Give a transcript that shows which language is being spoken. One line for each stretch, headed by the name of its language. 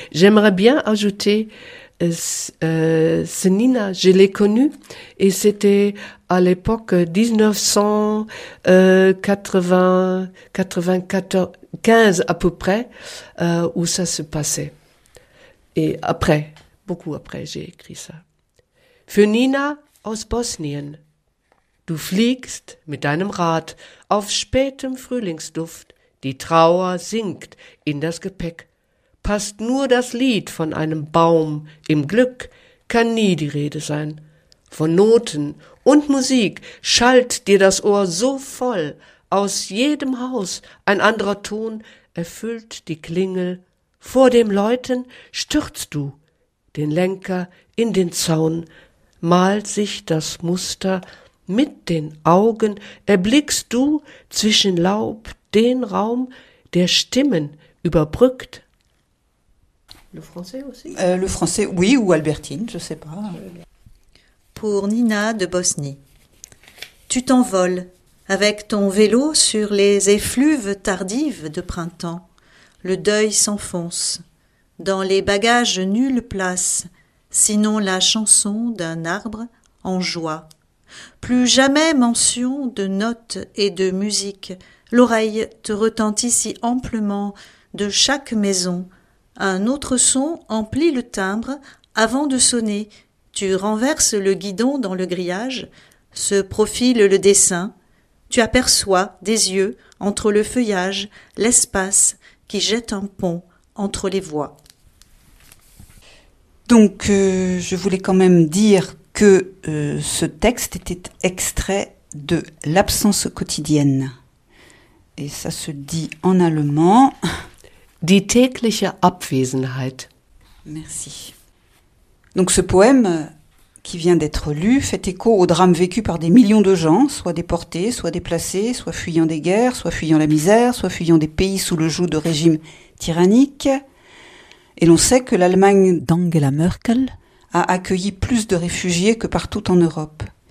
French: J'aimerais bien ajouter... c'est Nina, je l'ai connue et c'était à l'époque 1995 à peu près où ça se passait. Et après, beaucoup après, j'ai écrit ça.
German: Für Nina aus Bosnien. Du fliegst mit deinem Rad auf spätem Frühlingsduft. Die Trauer sinkt in das Gepäck. Passt nur das Lied von einem Baum im Glück, kann nie die Rede sein. Von Noten und Musik schallt dir das Ohr so voll, aus jedem Haus ein anderer Ton erfüllt die Klingel. Vor dem Läuten stürzt du den Lenker in den Zaun, malt sich das Muster mit den Augen, erblickst du zwischen Laub den Raum, der Stimmen überbrückt.
French: Le français aussi ? Le français, oui, ou Albertine, je ne sais pas. Pour Nina de Bosnie. Tu t'envoles avec ton vélo sur les effluves tardives de printemps. Le deuil s'enfonce. Dans les bagages, nulle place, sinon la chanson d'un arbre en joie. Plus jamais mention de notes et de musique. L'oreille te retentit si amplement de chaque maison. Un autre son emplit le timbre avant de sonner. Tu renverses le guidon dans le grillage, se profile le dessin. Tu aperçois des yeux entre le feuillage l'espace qui jette un pont entre les voies. Donc, je voulais quand même dire que ce texte était extrait de L'absence quotidienne. Et ça se dit en allemand...
German: Die tägliche Abwesenheit.
French: Merci. Donc ce poème qui vient d'être lu fait écho au drame vécu par des millions de gens, soit déportés, soit déplacés, soit fuyant des guerres, soit fuyant la misère, soit fuyant des pays sous le joug de régimes tyranniques. Et l'on sait que l'Allemagne d'Angela Merkel a accueilli plus de réfugiés que partout en Europe.